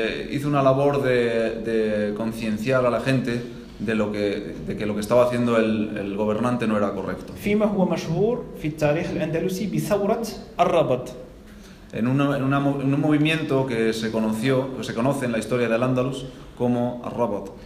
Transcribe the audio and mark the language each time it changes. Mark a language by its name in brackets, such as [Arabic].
[Spanish] Hizo una labor de concienciar a la gente de que lo que estaba haciendo el gobernante no era correcto. [Arabic] فيما هو مشهور في التاريخ الأندلسي بثورة الربط. [Spanish] En un movimiento que se conoce en la historia del Andalus como Arrabat.